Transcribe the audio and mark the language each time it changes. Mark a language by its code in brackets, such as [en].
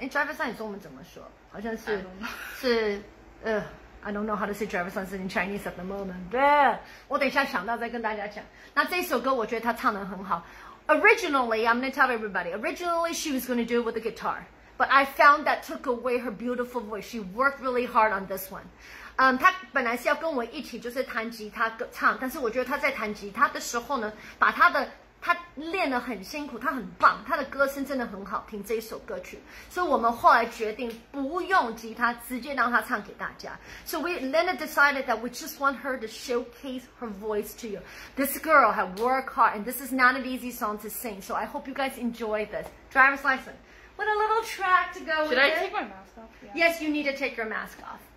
[zh] 哎 ，Driver's License 中文怎么说？好像是 [en] I don't know how to say driver's license in Chinese at the moment, but [zh] 我等一下想到再跟大家讲。那这首歌我觉得她唱得很好。 [en] Originally, I'm going to tell everybody, originally she was going to do it with the guitar. but I found that took away her beautiful voice. She worked really hard on this one. [zh] 她本来是要跟我一起就是弹吉他唱，但是我觉得她在弹吉他的时候呢，把她的她练得很辛苦，她很棒，她的歌声真的很好听这一首歌曲。所以我们后来决定不用吉他，直接让她唱给大家。 [en] So we Lena decided that we just want her to showcase her voice to you. This girl had worked hard, and this is not an easy song to sing. So I hope you guys enjoy this. Driver's license. What a little track to go Should with I it. Should I take my mask off? Yeah. Yes, you need to take your mask off.